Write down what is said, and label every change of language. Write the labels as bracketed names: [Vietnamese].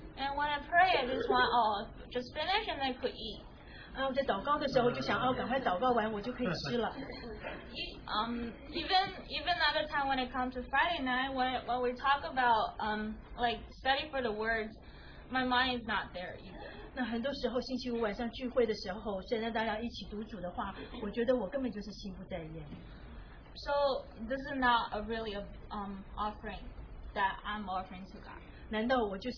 [English] And when I pray, I just want, oh, just finish and then I could eat. [Chinese] 我在祷告的时候就想，哦，赶快祷告完我就可以吃了。 [English] even another time when it comes to Friday night, when we talk about like study for the words, my mind is not there either. [Chinese] 那很多时候星期五晚上聚会的时候，现在大家一起读主的话，我觉得我根本就是心不在焉。 [English] So this is not a really a offering that I'm offering to God.